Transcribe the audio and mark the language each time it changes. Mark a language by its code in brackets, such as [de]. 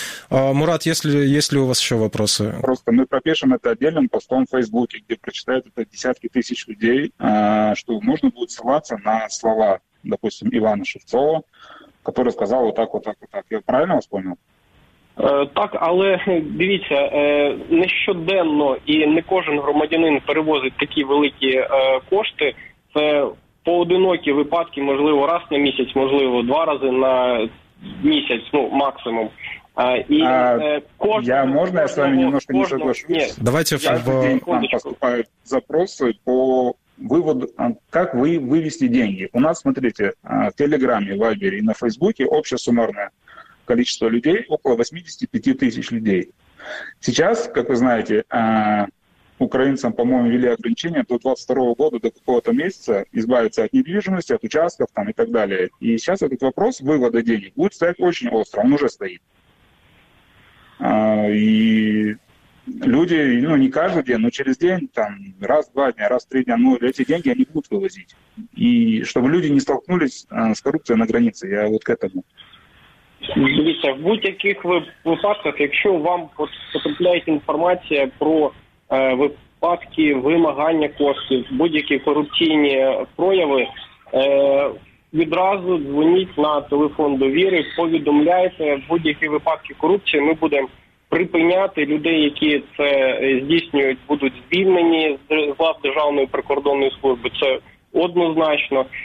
[ru] Мурат, есть ли у вас еще вопросы? Просто мы пропишем это отдельным постом в Фейсбуке, где прочитают это десятки тысяч людей, что можно будет ссылаться на слова, допустим, Ивана Шевцова, который сказал вот так, вот так, вот так. Я правильно вас понял? [uk] Так, але дивіться, не щоденно і не кожен громадянин перевозить такі великі кошти. Це поодинокі випадки, можливо, раз на місяць, можливо, два рази на місяць, максимум. [ru] Я з вами немножко не соглашусь? Давайте поступають запроси по выводу, как вывести деньги. У нас, смотрите, в Телеграме, в Вайбере и на Фейсбуке общая суммарная количество людей, около 85 тысяч людей. Сейчас, как вы знаете, украинцам, по-моему, ввели ограничения до 22 года, до какого-то месяца, избавиться от недвижимости, от участков там, и так далее. И сейчас этот вопрос вывода денег будет стоять очень остро, он уже стоит. И люди, ну, не каждый день, но через день, там, раз-два дня, раз-три дня, ну, эти деньги они будут вывозить. И чтобы люди не столкнулись с коррупцией на границе, я вот к этому. [uk] Дивіться, в будь-яких випадках, якщо вам потрапляється інформація про випадки вимагання коштів, будь-які корупційні прояви, відразу дзвоніть на телефон довіри, повідомляйте будь-які випадки корупції, ми будемо припиняти людей, які це здійснюють, будуть звільнені з лав Державної прикордонної служби, це однозначно.